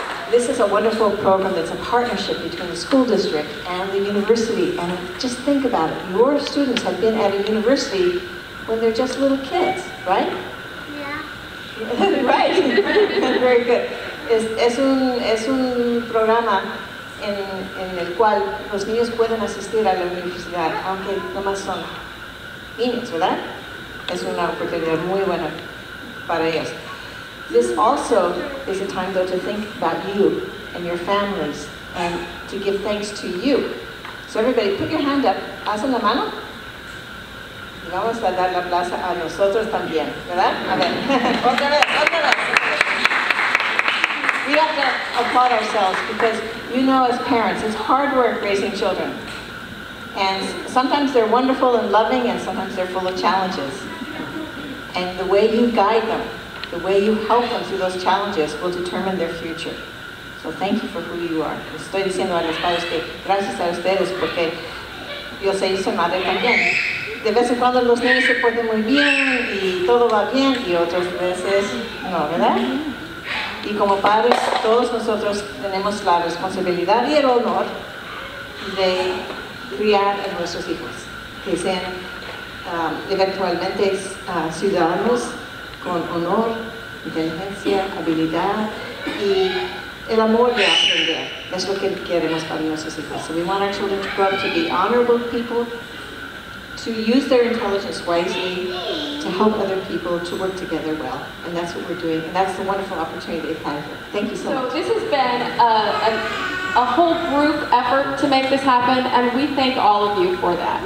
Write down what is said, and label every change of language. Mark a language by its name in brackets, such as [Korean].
[English] This is a wonderful program that's a partnership between the school district and the university. And just think about it. Your students have been at a university when they're just little kids, right? Yeah. Right. Very good. [Spanish] Es un programa en el cual los niños pueden asistir a la universidad, aunque nomás son niños, ¿verdad? Es una oportunidad muy buena para ellos. [English] This also is a time, though, to think about you and your families and to give thanks to you. So everybody, put your hand up. [Spanish] Hacen la mano. Y vamos a dar la plaza a nosotros también, ¿verdad? A ver. Otra vez, otra vez. [English] We have to applaud ourselves because, you know, as parents, it's hard work raising children. And sometimes they're wonderful and loving, and sometimes they're full of challenges. And the way you guide them, the way you help them through those challenges will determine their future. So thank you for who you are. [Spanish] Estoy diciendo a los padres que gracias a ustedes porque yo sé que soy madre también. De vez en cuando los niños se portan muy bien y todo va bien y otras veces no, ¿verdad? Y como padres, todos nosotros tenemos la responsabilidad y el honor de criar a nuestros hijos, que sean eventualmente ciudadanos con honor, inteligencia, habilidad, y el amor de aprender. Es lo que queremos para nuestros hijos. [English] So we want our children to grow up to be honorable people, to use their intelligence wisely, to help other people, to work together well. And that's what we're doing, and that's the wonderful opportunity they've had here. Thank you so much. So this has been a whole group effort to make this happen, and we thank all of you for that.